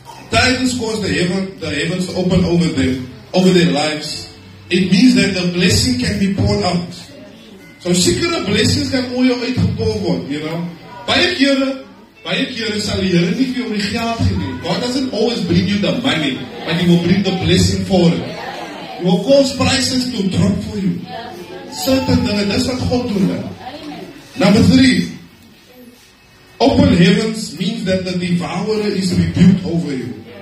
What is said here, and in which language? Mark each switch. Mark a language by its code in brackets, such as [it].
[en] Titans cause the heavens to open over their lives. It means that the blessing can be poured out. [af] So sekere blessings kan mooi uitgepoor word, [en] you know. [af] Baie kere sal die Here nie vir jou die geld gee nie. [en] God doesn't always bring you the money, but He will bring the blessing for it. He will cause prices to drop for you. Certain [af] dinge, dis wat God doen. [en] Number 3. Open heavens means that the devourer is rebuked over you.